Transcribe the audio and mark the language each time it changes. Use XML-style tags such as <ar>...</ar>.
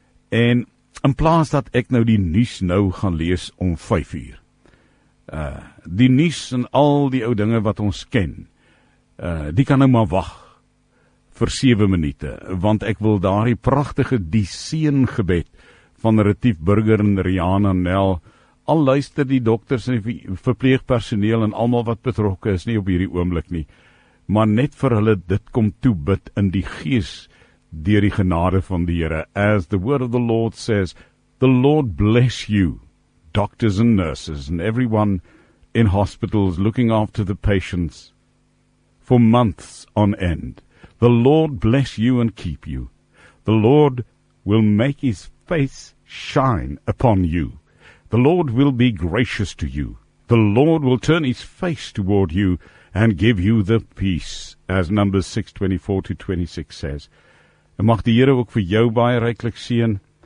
<af>En in plaas dat ek nou die nuus nou gaan lees om 5 uur, die nuus en al die ou dinge wat ons ken, die kan nou maar wag, vir 7 minute, want ek wil daardie pragtige die seën gebed van Retief Burger en Rihanna Nel, al luister die dokters en die verpleegpersoneel en almal wat betrokke is nie op hierdie oomblik nie, maar net vir hulle dit kom toe bid in die gees deur die genade van die Here.</af> <en>As the word of the Lord says, the Lord bless you, doctors and nurses and everyone in hospitals looking after the patients for months on end. The Lord bless you and keep you. The Lord will make his face shine upon you. The Lord will be gracious to you. The Lord will turn his face toward you and give you the peace, as Numbers 6:24-26 says.</en> <af>En mag die Here ook vir jou baie ryklik seën.</af>